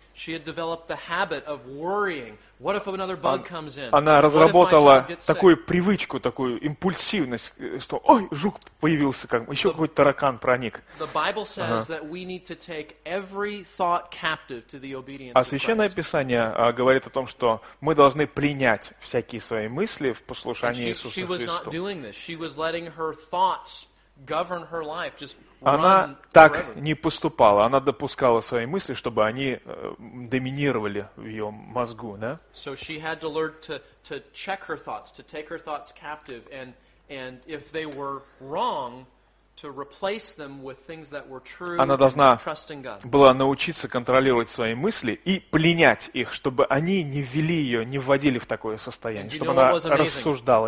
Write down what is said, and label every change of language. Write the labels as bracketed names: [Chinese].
[English] She had developed the habit of worrying. What if another bug comes in? [Russian] Она разработала такую привычку, такую импульсивность, что, ой, жук появился, как еще какой-то таракан проник. [English] The Bible says that we need to take every thought captive to the obedience. [Russian] А Священное Писание говорит о том, что мы должны принять всякие свои мысли в послушание Иисуса Христа. [English] She was not doing this. She was letting her thoughts govern her life. Just [Russian] она так не поступала. Она допускала свои мысли, чтобы они доминировали в ее мозгу, да? [English] So she had to learn to check her thoughts, to take her thoughts captive, and if they were wrong, to replace them with things that were true. [Russian] Она должна была научиться контролировать свои мысли и пленять их, чтобы они не ввели ее, не вводили в такое состояние, чтобы она рассуждала.